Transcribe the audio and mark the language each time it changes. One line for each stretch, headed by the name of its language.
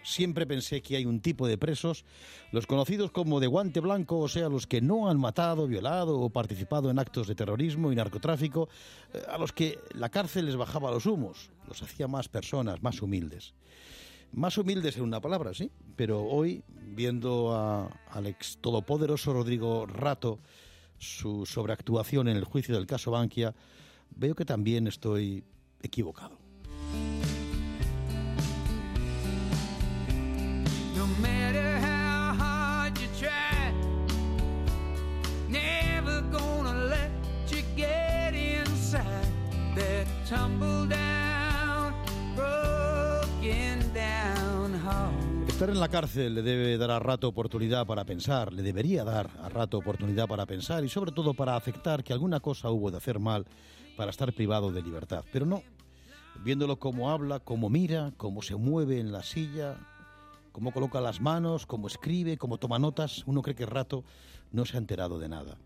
Spanish: Siempre pensé que hay un tipo de presos, los conocidos como de guante blanco, o sea, los que no han matado, violado o participado en actos de terrorismo y narcotráfico, a los que la cárcel les bajaba los humos, los hacía más personas, más humildes. Más humildes en una palabra, sí, pero hoy, viendo al ex todopoderoso Rodrigo Rato, su sobreactuación en el juicio del caso Bankia, veo que también estoy equivocado.
English: No matter how hard you try, never gonna let you get inside that tumble down, broken down heart.
Spanish: Estar en la cárcel le debe dar a Rato oportunidad para pensar, le debería dar a Rato oportunidad para pensar y sobre todo para aceptar que alguna cosa hubo de hacer mal para estar privado de libertad. Pero no, viéndolo cómo habla, cómo mira, cómo se mueve en la silla, cómo coloca las manos, cómo escribe, cómo toma notas, uno cree que Rato no se ha enterado de nada.